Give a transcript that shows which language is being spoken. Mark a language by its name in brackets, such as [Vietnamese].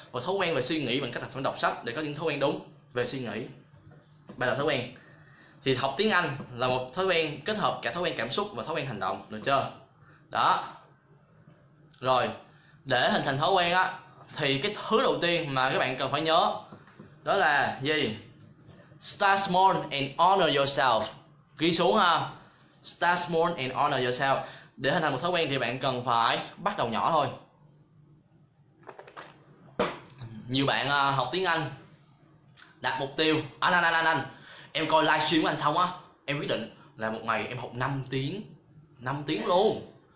[Vietnamese] Và thói quen về suy nghĩ bằng cách là phải đọc sách để có những thói quen đúng về suy nghĩ. Ba là thói quen. Thì học tiếng Anh là một thói quen kết hợp cả thói quen cảm xúc và thói quen hành động, được chưa? Đó. Rồi, để hình thành thói quen á, thì cái thứ đầu tiên mà các bạn cần phải nhớ đó là gì? [English] Start small and honor yourself. [Vietnamese] Ghi xuống ha. [English] Start small and honor yourself. [Vietnamese] Để hình thành một thói quen thì bạn cần phải bắt đầu nhỏ thôi. Nhiều bạn học tiếng Anh đặt mục tiêu, anh em coi livestream của anh xong á, em quyết định là một ngày em học 5 tiếng luôn.